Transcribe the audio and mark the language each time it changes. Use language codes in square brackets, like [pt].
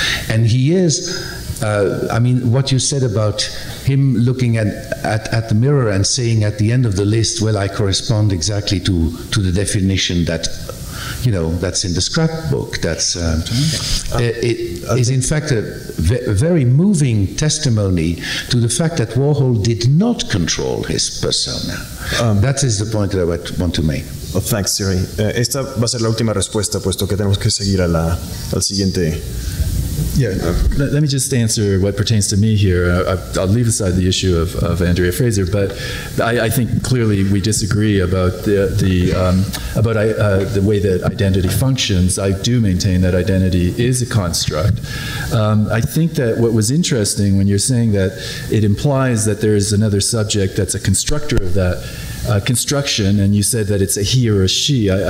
[en] And he is, I mean, what you said about him looking at the mirror and saying at the end of the list, well, I correspond exactly to the definition that, you know, that's in the scrapbook. That's it is in fact a very moving testimony to the fact that Warhol did not control his persona. That is the point that I want to make. Oh, thanks, Siri. [es] Esta va a ser la última respuesta, puesto que tenemos que seguir a la al siguiente. [en] Yeah, let me just answer what pertains to me here. I'll leave aside the issue of Andrea Fraser, but I think clearly we disagree about the way that identity functions. I do maintain that identity is a construct. I think that what was interesting when you're saying that it implies that there is another subject that's a constructor of that construction, and you said that it's a he or a she.